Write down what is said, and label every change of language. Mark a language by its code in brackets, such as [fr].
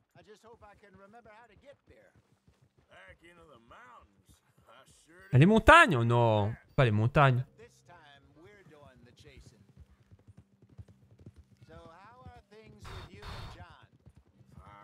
[en] I just hope I can remember how to get there. Back into the mountains. [fr] Ah, les montagnes, oh non, pas les montagnes. [en] This time we're doing the chasing. So how are things with you and John?